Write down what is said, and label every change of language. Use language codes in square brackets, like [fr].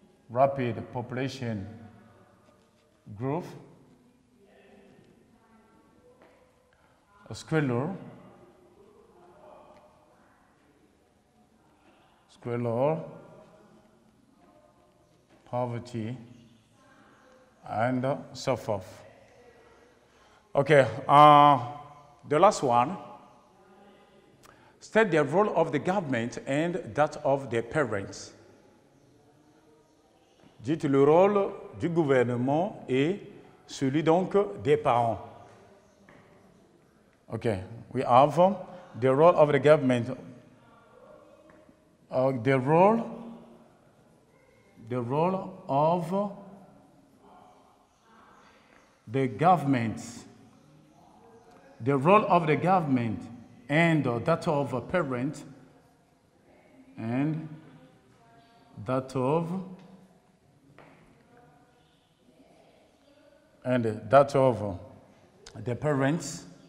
[en] rapid population growth, squalor, poverty, and so forth. The last one, state the role of the government and that of the parents. [fr] Dites le rôle du gouvernement et celui donc des parents. [en] Okay, we have the role of the government. The role of the government and that of a parent and that of the parents